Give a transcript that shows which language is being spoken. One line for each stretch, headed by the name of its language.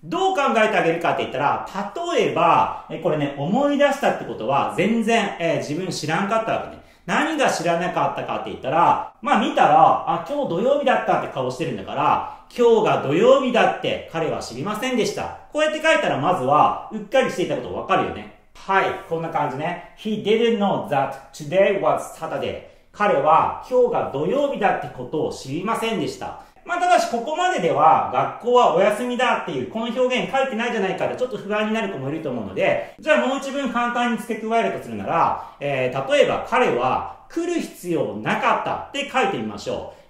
Japanese: どう考えてあげるかって言ったら、例えば、これね、思い出したってことは、全然、自分知らんかったわけね。何が知らなかったかって言ったら、まあ見たら、あ、今日土曜日だったって顔してるんだから、今日が土曜日だって彼は知りませんでした。こうやって書いたら、まずは、うっかりしていたことわかるよね。はい、こんな感じね。
English: He didn't know that today was Saturday。
Japanese: 彼は今日が土曜日だってことを知りませんでした。まあただしここまででは学校はお休みだっていうこの表現書いてないじゃないかってちょっと不安になる子もいると思うので、じゃあもう一文簡単に付け加えるとするなら、例えば彼は来る必要なかったって書いてみましょう。